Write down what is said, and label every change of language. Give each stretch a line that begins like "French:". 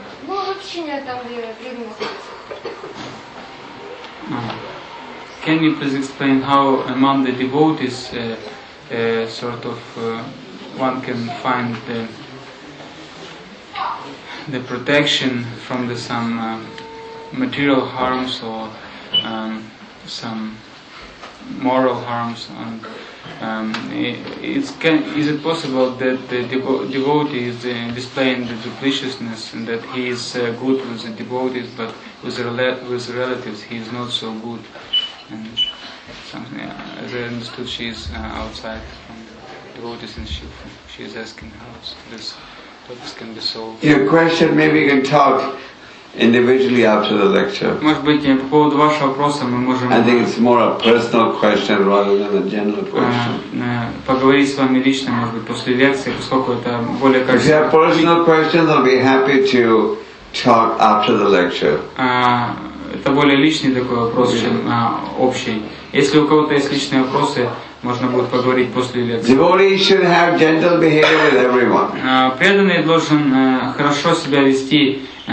Russian: Ну, в общине там, где преданные находятся.
English: Can you please explain how among the devotees sort of one can find the protection from the some material harms or some moral harms, and is it possible that the devotee is displaying the dupliciousness and that he is good with the devotees, but with relatives he is not so good, and something as I understood she is outside from the devotees and she is asking how this topic can be solved. Your question, maybe you can talk individually after the lecture.
Russian: По поводу вашего вопроса мы можем.
English: I think it's more a personal question rather than a general question.
Russian: Поговорить с вами лично, может быть, после лекции, поскольку это более.
English: If you have personal questions, I'll be happy to talk after the lecture.
Russian: Это более личный такой вопрос, чем общий. Если у кого-то есть личные вопросы, можно будет поговорить после лекции.
English: Devotees should have gentle behavior with everyone.
Russian: Преданный должен хорошо себя вести.